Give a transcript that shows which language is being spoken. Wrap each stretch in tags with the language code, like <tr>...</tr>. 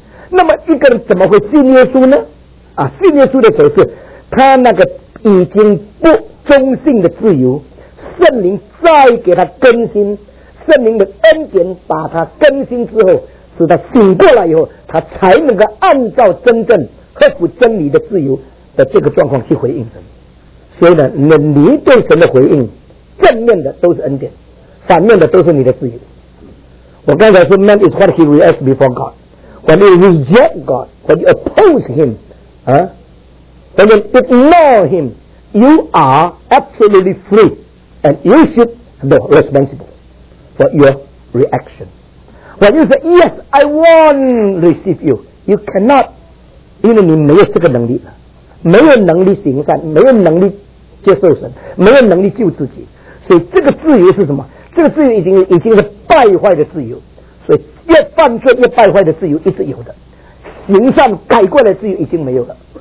<zh>那么一个人怎么会信耶稣呢？啊，信耶稣的时候是他那个已经不忠信的自由，圣灵再给他更新，圣灵的恩典把他更新之后，使他醒过来以后，他才能够按照真正合乎真理的自由的这个状况去回应神。所以呢，你对神的回应，正面的都是恩典，反面的都是你的自由。我刚才说</zh> <en>man is what he reacts before God。 When you reject God, when you oppose Him, when you ignore Him, you are absolutely free, and you should be responsible for your reaction. When you say, yes, I want to receive you, you cannot,</en> <zh>因为你没有这个能力了，没有能力行善，没有能力接受神，没有能力救自己，所以这个自由是什么？这个自由已经是败坏的自由。所以越犯罪越败坏的自由一直有的，行善改过来的自由已经没有了。</zh>